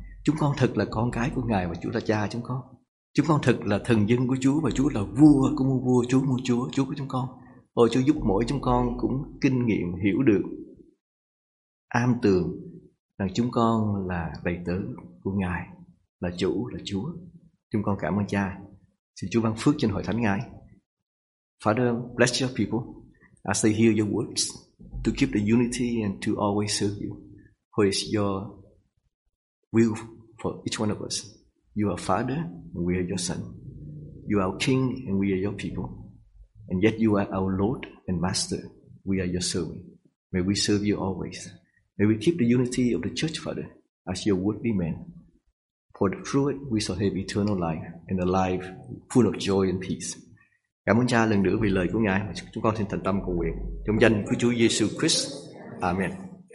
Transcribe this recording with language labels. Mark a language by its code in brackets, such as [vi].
[vi] Chúng con thật là con cái của Ngài và Chúa là Cha chúng con. Chúng con thật là thần dân của Chúa và Chúa là vua của muôn vua, Chúa muôn Chúa, Chúa của chúng con. Ôi Chúa giúp mỗi chúng con cũng kinh nghiệm hiểu được am tường rằng chúng con là đầy tớ của Ngài, là chủ, là Chúa. Chúng con cảm ơn Cha. Xin Chúa ban phước trên hội thánh Ngài. [en] Father, bless your people as they hear your words to keep the unity and to always serve you. For it's your will for each one of us. You are Father and we are your Son. You are King and we are your people. And yet you are our Lord and Master. We are your servant. May we serve you always. May we keep the unity of the church, Father, as your word be men. For through it we shall have eternal life and a life full of joy and peace. [vi] Cảm ơn Cha lần nữa vì lời của Ngài. Chúng con xin thành tâm cầu nguyện trong danh của Chúa Giêsu Christ. Amen.